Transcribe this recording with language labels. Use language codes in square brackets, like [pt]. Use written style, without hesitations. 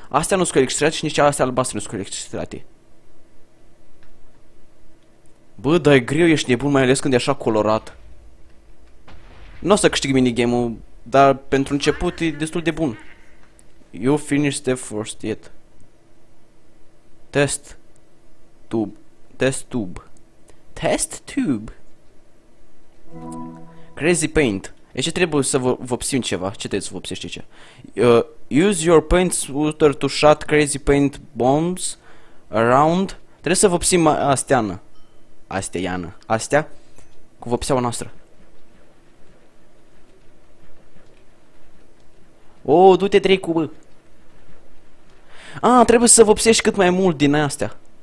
[ro] Astea nu sunt cu electricitate și nici astea albastre nu sunt cu electricitate. Bă, dar e greu, ești nebun, mai ales când e așa colorat. Nu o să câștig minigame-ul, dar pentru început e destul de bun. [en] You finished the first yet. Test. Tube. Test tube. Test tube. Crazy paint. [ro] Deci trebuie să vopsim ceva. Ce trebuie să vopsești aici? [en] Use your paint sputter to shot crazy paint bombs around. [ro] Trebuie să vopsim astea cu vopseaua noastră. Oh, du-te trei cu bă. Ah, trebuie să vopsești cât mai mult din astea.